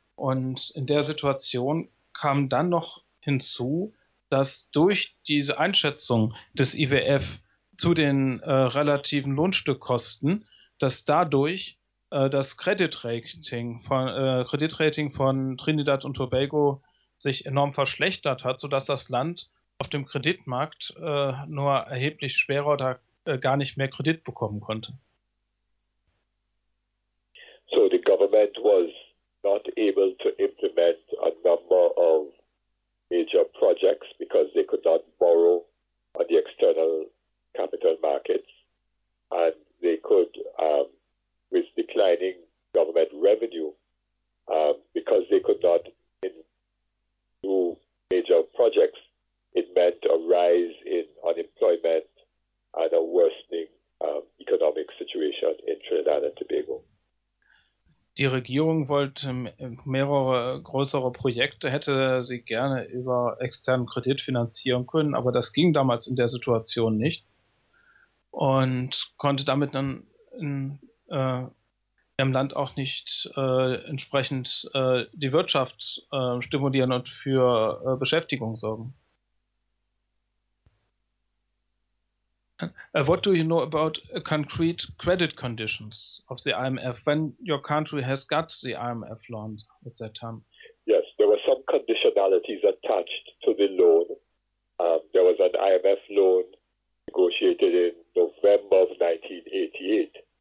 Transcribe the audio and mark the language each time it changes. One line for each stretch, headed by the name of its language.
German: Und in der Situation kam dann noch hinzu, dass durch diese Einschätzung des IWF zu den relativen Lohnstückkosten, dass dadurch das Kreditrating von Trinidad und Tobago sich enorm verschlechtert hat, sodass das Land auf dem Kreditmarkt nur erheblich schwerer oder gar nicht mehr Kredit bekommen konnte.
English: So the government was not able to implement a number of major projects because they could not borrow on the external capital markets, and they could, with declining government revenue, because they could not do major projects, it meant a rise in unemployment and a worsening economic situation in Trinidad and Tobago.
German: Die Regierung wollte mehrere größere Projekte, hätte sie gerne über externen Kredit finanzieren können, aber das ging damals in der Situation nicht und konnte damit dann im Land auch nicht entsprechend die Wirtschaft stimulieren und für Beschäftigung sorgen.
English: What do you know about concrete credit conditions of the IMF when your country has got the IMF loan at that time? Yes, there were some conditionalities attached to the loan. There was an IMF loan negotiated in November of 1988.